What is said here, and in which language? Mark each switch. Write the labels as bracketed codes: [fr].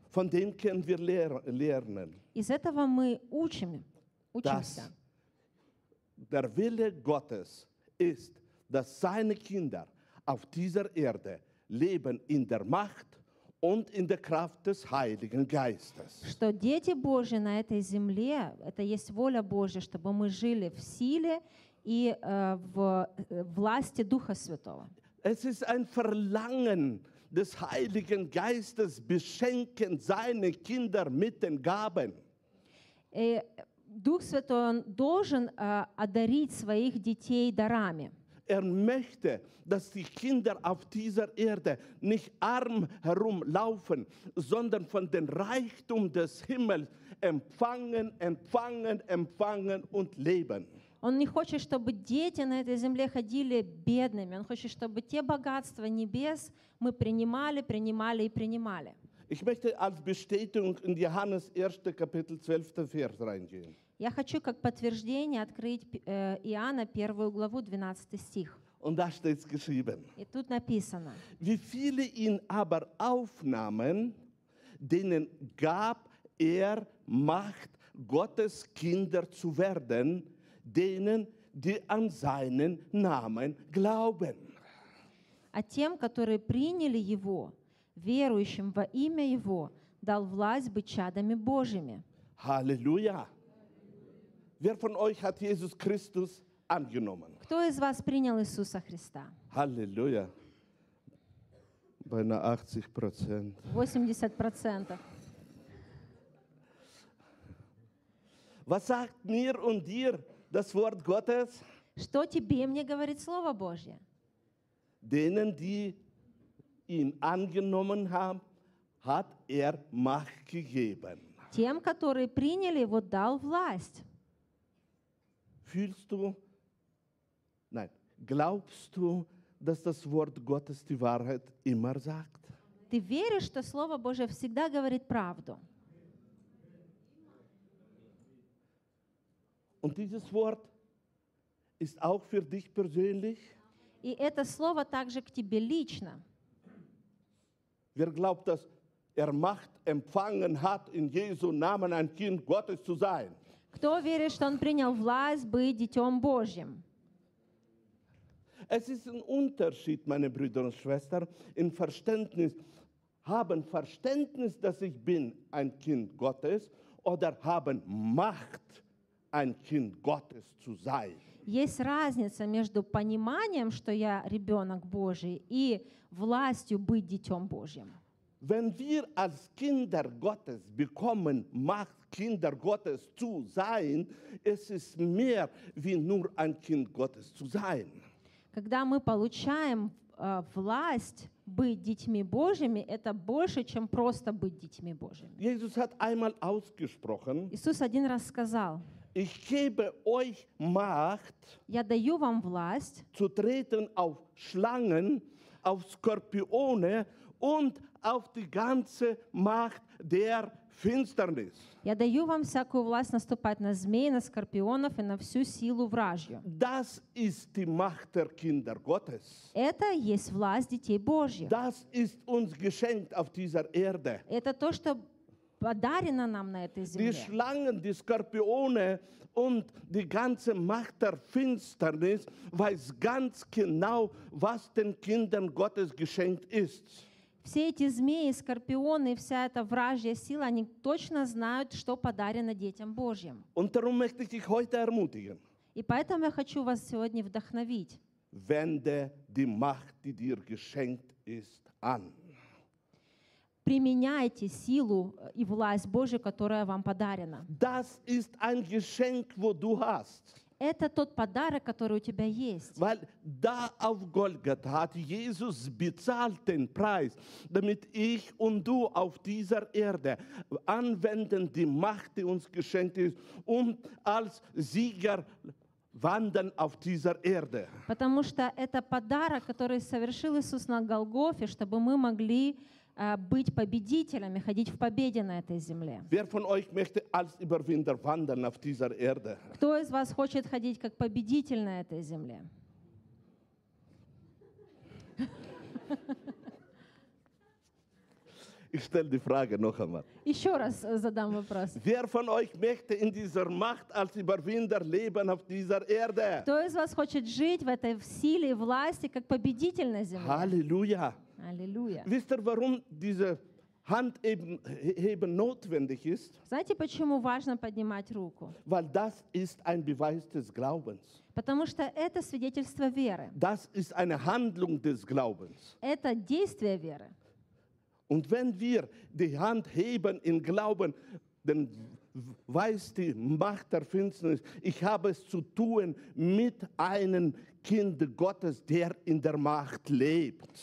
[de] Von dem können wir lernen. [ru] Из этого мы учимся. [de] Der Wille Gottes ist, dass seine Kinder auf dieser Erde leben in der Macht und in der Kraft des Heiligen Geistes. [ru] Что дети Божьи на этой земле, это есть воля Божья, чтобы мы жили в силе и в власти Духа Святого. [de] Es ist ein Verlangen des Heiligen Geistes, beschenken seine Kinder mit den Gaben. [ru] Дух Святой, он должен одарить своих детей дарами. [de] Möchte, dass die Kinder auf dieser Erde nicht arm herumlaufen, sondern von dem Reichtum des Himmels empfangen, empfangen, empfangen und leben. [ru] Он не хочет, чтобы дети на этой земле ходили бедными. Он хочет, чтобы те богатства небес мы принимали, принимали и принимали. [de] Ich möchte als Bestätigung in Johannes 1. Kapitel 12. Vers reingehen. [ru] Я хочу как подтверждение открыть Иоанна 1. Главу 12. Стих. [de] Und da steht's geschrieben. [ru] И тут написано. [de] Wie viele ihn aber aufnahmen, denen gab er Macht, Gottes Kinder zu werden, denen, die an seinen Namen glauben. [ru] А тем, которые приняли Его, верующим во имя Его, дал власть быть чадами Божьими. [de] Halleluja! Wer von euch hat Jesus Christus angenommen? [ru] Кто из вас принял Иисуса Христа? [de] Halleluja! Beinahe 80%. [ru] 80%. [de] Was sagt mir und dir das Wort Gottes? [ru] Что тебе мне говорит Слово Божье? [de] Denen, die ihn angenommen haben, hat Macht gegeben. [ru] Тем, которые приняли его, дал власть. [de] Fühlst du, nein, glaubst du, dass das Wort Gottes die Wahrheit immer sagt? [ru] Ты веришь, что Слово Божье всегда говорит правду? [de] Und dieses Wort ist auch für dich persönlich. [ru] И это слово также к тебе лично. [de] Wer glaubt, dass er Macht empfangen hat, in Jesu Namen ein Kind Gottes zu sein. [ru] Кто верит, что он принял власть быть детем Божьим? [de] Es ist ein Unterschied, meine Brüder und Schwestern, im Verständnis, haben Verständnis, dass ich bin ein Kind Gottes oder haben Macht, ein Kind Gottes zu sein. [ru] Есть разница между пониманием, что я ребенок Божий, и властью быть детем Божьим. [de] Wenn wir als Kinder Gottes bekommen Macht, Kinder Gottes zu sein, es ist mehr wie nur ein Kind Gottes zu sein. [ru] Когда мы получаем власть быть детьми Божьими, это больше, чем просто быть детьми Божьими. [de] Jesus hat einmal ausgesprochen. [ru] Иисус один раз сказал. [de] Ich gebe euch Macht. [ru] Я даю вам власть. [de] Zu treten auf Schlangen, auf Skorpione und auf die ganze Macht der Finsternis. [ru] Я даю вам всякую власть наступать на змей, на скорпионов и на всю силу вражью. [de] Das ist die Macht der Kinder Gottes. [ru] Это есть власть детей Божьих. [de] Das ist uns geschenkt auf dieser Erde. [ru] Это то, что подарено нам на этой земле. [de] Die Schlangen, die Skorpione und die ganze Macht der Finsternis weiß ganz genau, was den Kindern Gottes geschenkt ist. [ru] Все эти змеи, скорпионы, вся эта вражья сила, они точно знают, что подарено детям Божьим. [de] Und darum möchte ich dich heute ermutigen. [ru] И поэтому я хочу вас сегодня вдохновить. [de] Wende die Macht, die dir geschenkt ist, an. [ru] Применяйте силу и власть Божью, которая вам подарена. [de] Das ist ein Geschenk, wo du hast. [ru] Это тот подарок, который у тебя есть. [de] Weil da auf Golgatha hat Jesus bezahlt den Preis, damit ich und du auf dieser Erde anwenden die Macht, die uns geschenkt ist, und als Sieger wandern auf dieser Erde. [ru] Потому что это подарок, который совершил Иисус на Голгофе, чтобы мы могли быть победителями, ходить в победе на этой земле. [de] Wer von euch möchte als Überwinder wandern auf dieser Erde? [ru] Кто из вас хочет ходить как победитель на этой земле? [de] Ich stelle die Frage noch einmal. [ru] Еще раз задам вопрос. [de] Wer von euch möchte in dieser Macht als Überwinder leben auf dieser Erde? [ru] Кто из вас хочет жить в этой силе и власти как победитель на земле? [de] Halleluja. Halleluja. Wisst ihr, warum diese Hand eben notwendig ist? [ru] Знаете, почему важно поднимать руку? [de] Weil das ist ein Beweis des Glaubens. [ru] Потому что это свидетельство веры. [de] Das ist eine Handlung des Glaubens. [ru] Это действие веры. [de] Und wenn wir die Hand heben in Glauben, dann weiß die Macht der Finsternis, ich habe es zu tun mit einem Kind Gottes, der in der Macht lebt.